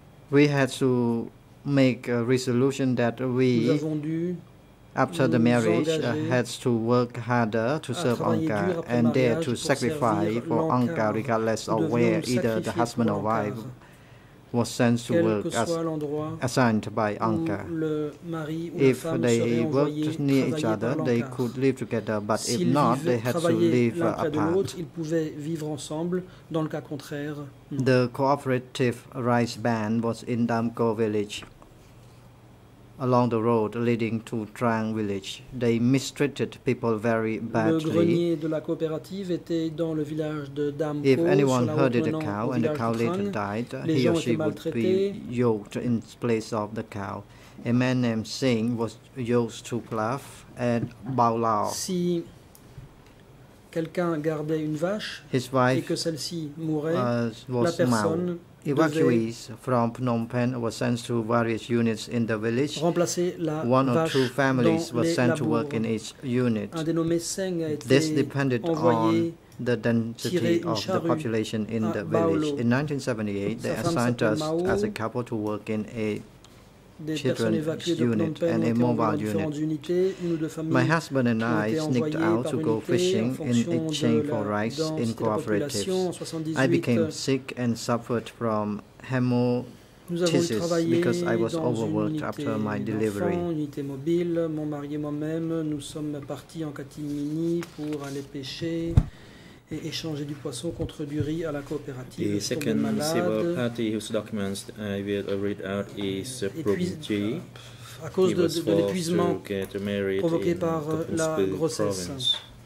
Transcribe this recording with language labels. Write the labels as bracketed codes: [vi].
[en] We had to make a resolution that we, after the marriage, had to work harder to serve Anka and dare to sacrifice for Anka regardless of where either the husband or wife was sent to work as assigned by Anka. If they worked near each other, they could live together, but if not, they had to live apart. [fr] Ils pouvaient vivre ensemble, dans le cas contraire, non. [en] The cooperative rice band was in Damco village. Along the road leading to Trang village, they mistreated people very badly. [fr] Le grenier de la coopérative était dans le village de Damco. [en] If anyone herded the cow and the cow later died, he or she would be yoked in place of the cow. A man named Singh was yoked to plough and bow lao. [fr] Si quelqu'un gardait une vache et que celle-ci mourait, la personne, [en] evacuees from Phnom Penh were sent to various units in the village. One or two families were sent to work in each unit. This depended on the density of the population in the village. In 1978, they assigned us as a couple to work in a children's unit and a mobile unit. My husband and I sneaked out to go fishing in exchange for rice in cooperatives. I became sick and suffered from hemoptysis because I was overworked after my delivery. [fr] Mon mari et moi-même, nous sommes partis en catimini pour aller pêcher et échanger du poisson contre du riz à la coopérative. [en] The second civil party whose documents I will read out is Provinci. [fr] À cause de l'épuisement provoqué par la grossesse.